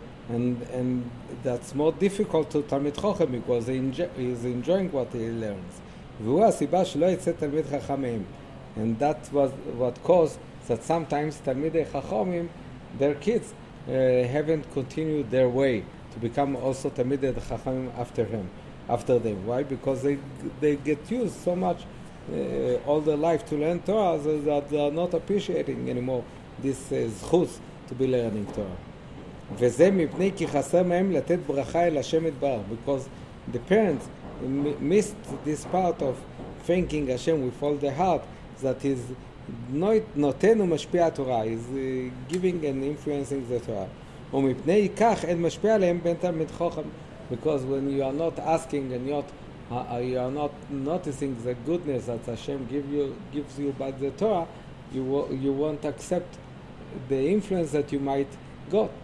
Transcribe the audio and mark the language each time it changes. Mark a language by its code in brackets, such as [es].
[en] And that's more difficult to תלמיד חכם, because he's enjoying what he learns. [he] והוא הסיבה שלא יצא תלמיד חכמים. [en] And that was what caused that sometimes תלמידי חכמים, their kids haven't continued their way to become also Talmidei Chachamim after them. Why? Because they get used so much all their life to learn Torah so that they are not appreciating anymore this zchus to be learning Torah. [he] וזה מפני כי חסר מהם לתת ברכה אל השם יתברך. [en] Because the parents missed this part of thanking Hashem with all their heart that is [he] נותן ומשפיע התורה, [en] is giving and influencing the Torah. [he] ומפני כך אין משפיע עליהם בין תלמיד חכם, [en] because when you are not asking and you are not noticing the goodness that Hashem gives you by the Torah, you won't accept the influence that you might got.